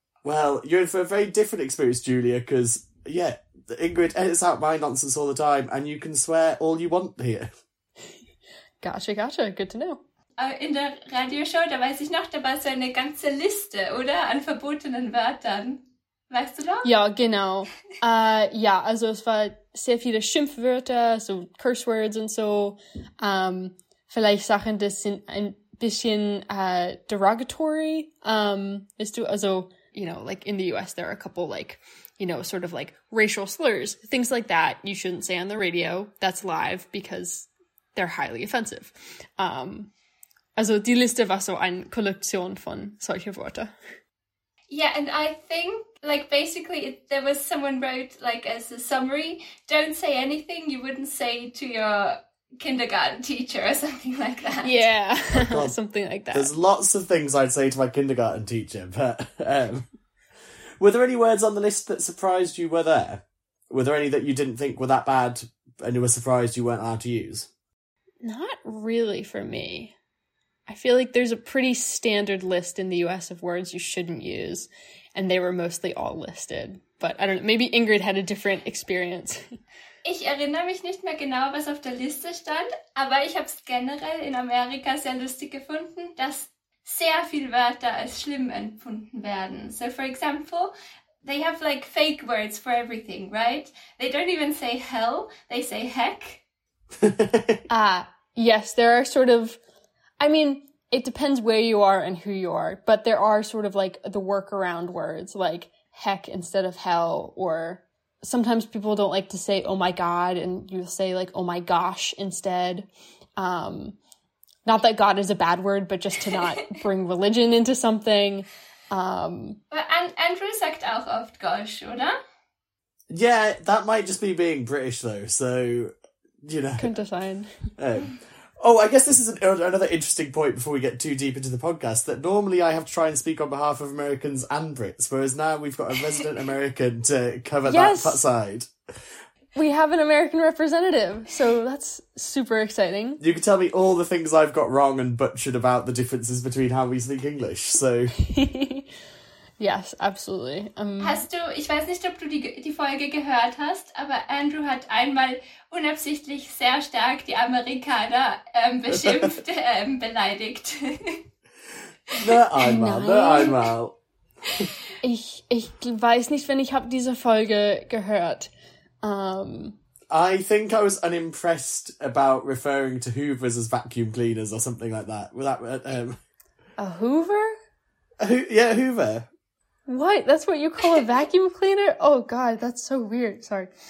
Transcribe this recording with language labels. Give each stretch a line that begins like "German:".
English: Well, you're in for a very different experience, Julia, because, yeah, Ingrid edits out my nonsense all the time, and you can swear all you want here. Gotcha, good to know.
German: In der Radioshow, da weiß ich noch, da war so eine ganze Liste, oder, an verbotenen Wörtern. Weißt du das? Ja, genau. Ja, also es war sehr viele Schimpfwörter, so
English: Curse Words
German: und so. Vielleicht Sachen, das sind ein bisschen derogatory. Weißt du, also,
English: you know, like in the US, there are a couple, like, you know, sort of like racial slurs, things like that you shouldn't say on the radio that's live because they're highly offensive.
German: Also die Liste war so eine Kollektion von solchen Wörtern.
English: Yeah, and I think, like, basically, there was someone wrote, like, as a summary, don't say anything you wouldn't say to your kindergarten teacher or something like that. Yeah, well, something like that. There's lots of things I'd say to my kindergarten teacher, but were there any words on the list that surprised you were there? Were there any that you didn't think were that bad and you were surprised you weren't allowed to use? Not really for me. I feel like there's a pretty standard list in the US of words you shouldn't use, and they were mostly all listed. But I don't know, maybe Ingrid had a different experience.
German: Ich erinnere mich nicht mehr genau, was auf der Liste stand, aber ich habe es generell in Amerika sehr lustig gefunden, dass sehr viele Wörter als schlimm empfunden werden.
English: So for example, they have like fake words for everything, right? They don't even say hell, they say heck. Ah, yes, there are sort of, I mean, it depends where you are and who you are, but there are sort of like the workaround words like heck instead of hell, or sometimes people don't like to say, oh my God, and you say like, oh my gosh, instead. Not that God is a bad word, but just to not bring religion into something. And
German: Andrew sagt auch oft gosh, oder?
English: Yeah, that might just be being British though, so, you know.
German: Könnte sein.
English: Oh, I guess this is another interesting point before we get too deep into the podcast, that normally I have to try and speak on behalf of Americans and Brits, whereas now we've got a resident American to cover yes. that side. We have an American representative, so that's super exciting. You can tell me all the things I've got wrong and butchered about the differences between how we speak English, so. Yes, absolutely.
German: Hast du, ich weiß nicht, ob du die Folge gehört hast, aber Andrew hat einmal unabsichtlich sehr stark die Amerikaner beschimpft, beleidigt. Nur einmal. Ich weiß nicht, wenn ich habe diese Folge gehört.
English: I think I was unimpressed about referring to Hoovers as vacuum cleaners or something like that. A Hoover? Yeah, Hoover. What? That's what you call a vacuum cleaner? Oh, God, that's so weird. Sorry.